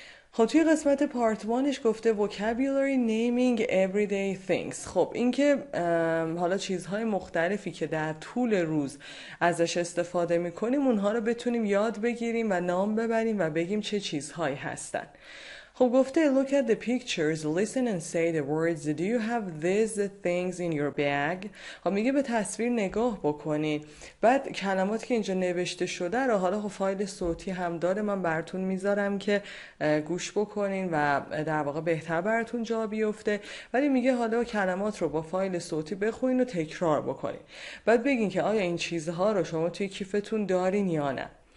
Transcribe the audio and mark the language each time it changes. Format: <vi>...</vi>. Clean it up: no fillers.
<fa>خب توی قسمت پارت 1ش گفته</fa> <en>vocabulary naming everyday things.</en> <fa>خب اینکه حالا چیزهای مختلفی که در طول روز ازش استفاده میکنیم اونها رو بتونیم یاد بگیریم و نام ببریم و بگیم چه چیزهایی هستن. خب گفته</fa> <en>look at the pictures, listen and say the words. Do you have these things in your bag?</en> <fa>خب میگه به تصویر نگاه بکنین، بعد کلماتی که اینجا نوشته شده رو، حالا خب فایل صوتی هم داره، من براتون میذارم که گوش بکنین و در واقع بهتر براتون جا بیفته، ولی میگه حالا کلمات رو با فایل صوتی بخونین و تکرار بکنین، بعد بگین که آیا این چیزها رو شما توی کیفتون دارین یا نه.</fa>